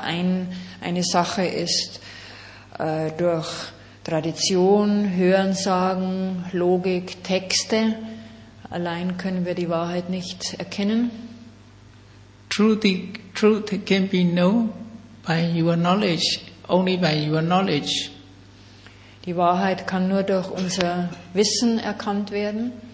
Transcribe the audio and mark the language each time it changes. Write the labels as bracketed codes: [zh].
[de] Eine Sache ist durch Tradition, Hörensagen, Logik, Texte. Allein können wir die Wahrheit nicht erkennen. [en] Truth can be known by your knowledge, only by your knowledge. [de] Die Wahrheit kann nur durch unser Wissen erkannt werden.